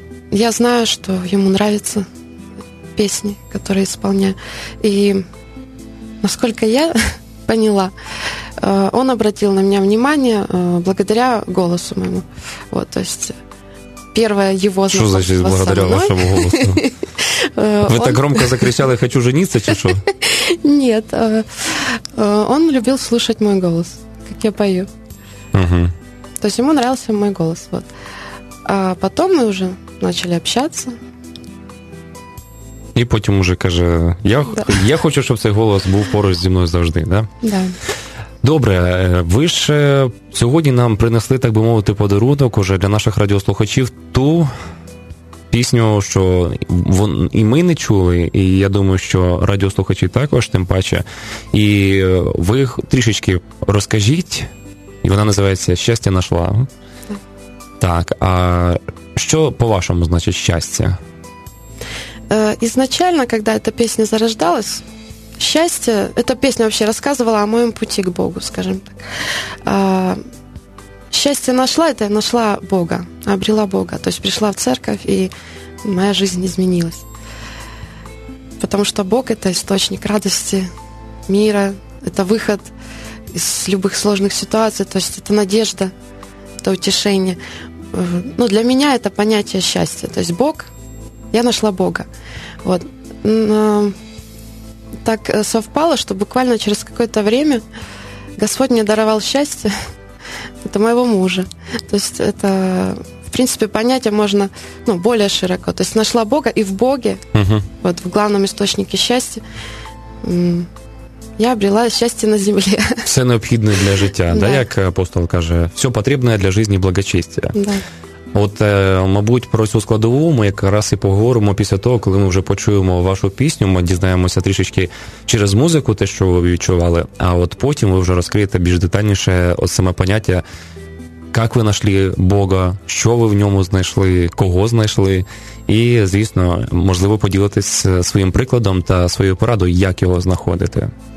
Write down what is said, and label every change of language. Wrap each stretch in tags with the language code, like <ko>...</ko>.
<uk>Я знаю, що йому подобаються пісні, які виконую. І, наскільки я</uk> <ru>поняла... Он обратил на меня внимание благодаря голосу моему. Вот, то есть первое его знакомство со мной. Что значит благодаря вашему голосу? Вы так громко закричали «хочу жениться» или что? Нет. Он любил слушать мой голос, как я пою. То есть ему нравился мой голос. Вот. А потом мы уже начали общаться. И потом уже</ru> <uk>каже,</uk> <ru>я хочу, чтобы</ru> <uk>цей</uk> <ru>голос был</ru> <uk>поруч зі мною завжди,</uk> <ru>да? Да.</ru> <uk>Добре, ви ж сьогодні нам принесли, так би мовити, подарунок уже для наших радіослухачів ту пісню, що і ми не чули, і я думаю, що радіослухачі також, тим паче. І ви трішечки розкажіть, і вона називається «Щастя нашла». Так, а що по-вашому значить «щастя»? Ізначально, коли ця пісня</uk> <ru>зарождалась... Счастье, эта песня вообще рассказывала о моем пути к Богу, скажем так. Счастье нашла, это я нашла Бога, обрела Бога. То есть пришла в церковь, и моя жизнь изменилась. Потому что Бог — это источник радости, мира, это выход из любых сложных ситуаций, то есть это надежда, это утешение. Ну, для меня это понятие счастья. То есть Бог, я нашла Бога. Вот. Так совпало, что буквально через какое-то время Господь мне даровал счастье. Это моего мужа. То есть это, в принципе, понятие можно, ну, более широко. То есть нашла Бога и в Боге, вот в главном источнике счастья, я обрела счастье на земле. Все необходимое для</ru> <uk>життя,</uk> <ru>да, как апостол</ru> <uk>каже,</uk> <ru>все потребное для жизни благочестия. Да.</ru> <uk>От, мабуть, про цю складову ми якраз і поговоримо після того, коли ми вже почуємо вашу пісню, ми дізнаємося трішечки через музику те, що ви відчували, а от потім ви вже розкриєте більш детальніше от саме поняття, як ви знайшли Бога, що ви в ньому знайшли, кого знайшли, і, звісно, можливо, поділитись своїм прикладом та своєю порадою, як його знаходити.</uk>